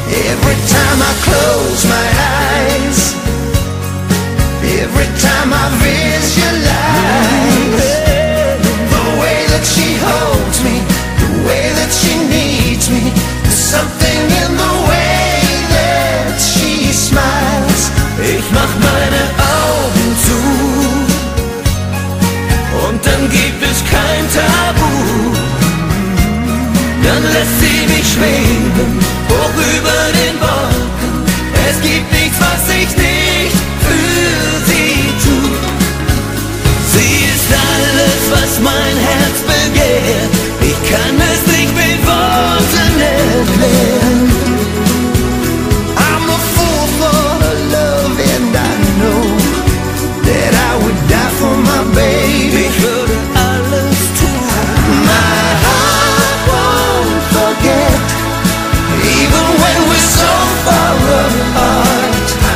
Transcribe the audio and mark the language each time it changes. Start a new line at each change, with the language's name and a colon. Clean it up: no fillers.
English: Every time I close my eyes, every time I visualize, the way that she holds me, the way that she needs me, there's something in the way that she smiles.
German: Ich mach meine Augen zu und dann gibt es kein Tabu. Dann lässt sie mich schweben hoch über den Wolken. Es gibt nichts, was ich nicht für sie tu. Sie ist alles, was mein Herz begehrt. Ich kann es nicht mit Worten erklären.
English: I'm a fool for her love and I know that I would die for my baby.
German: Ich würde alles tun.
English: My heart won't forget, even when we're so far apart.